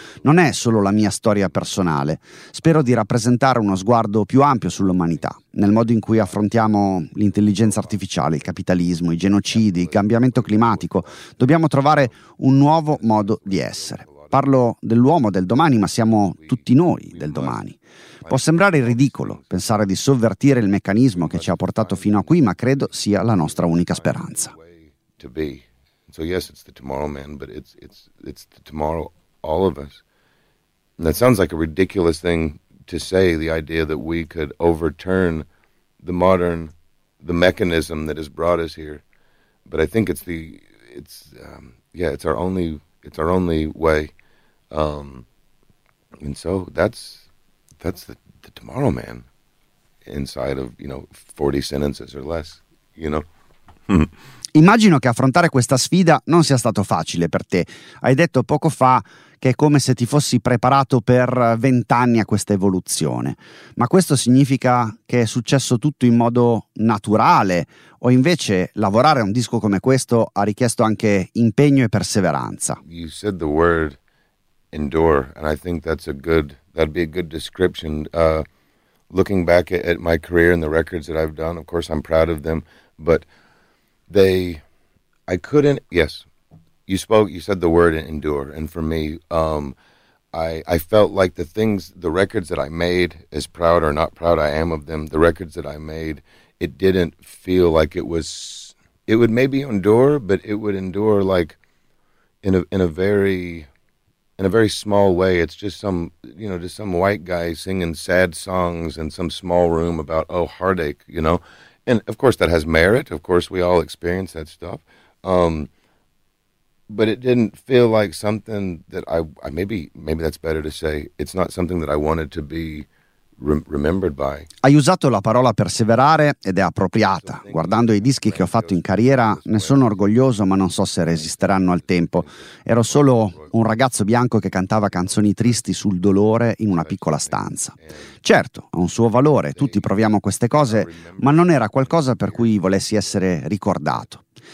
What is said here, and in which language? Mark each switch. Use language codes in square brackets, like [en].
[it] Non è solo la mia storia personale. Spero di rappresentare uno sguardo più ampio sull'umanità, nel modo in cui affrontiamo l'intelligenza artificiale, il capitalismo, i genocidi, il cambiamento climatico. Dobbiamo trovare un nuovo modo di essere. Parlo dell'uomo del domani, ma siamo tutti noi del domani. Può sembrare ridicolo pensare di sovvertire il meccanismo che ci ha portato fino a qui, ma credo sia la nostra unica speranza. [en] So yes, it's the tomorrow man, but it's the tomorrow all of us. And that sounds like a ridiculous thing to say, the idea that we could overturn the mechanism that has brought us here, but I think it's our only way. And so that's the tomorrow man inside of, 40 sentences or less, [it] Immagino che affrontare questa sfida non sia stato facile per te. Hai detto poco fa che è come se ti fossi preparato per 20 anni a questa evoluzione. Ma questo significa che è successo tutto in modo naturale? O invece lavorare a un disco come questo ha richiesto anche impegno e perseveranza? [en] You said the word endure, and I think that's a good, that'd be a good description. Looking back at my career and the records that I've done, of course I'm proud of them, but you said the word endure, and for me, I felt like the records that I made, as proud or not proud I am of them, the records that I made, it didn't feel like it would maybe endure, but it would endure like in a very small way. It's just some white guy singing sad songs in some small room about, oh, heartache, you know? And of course that has merit. Of course we all experience that stuff. But it didn't feel like something that maybe that's better to say, it's not something that I wanted to be remembered by. [it] Hai usato la parola perseverare ed è appropriata. Guardando i dischi che ho fatto in carriera, ne sono orgoglioso, ma non so se resisteranno al tempo. Ero solo un ragazzo bianco che cantava canzoni tristi sul dolore in una piccola stanza. Certo, ha un suo valore, tutti proviamo queste cose, ma non era qualcosa per cui volessi essere ricordato.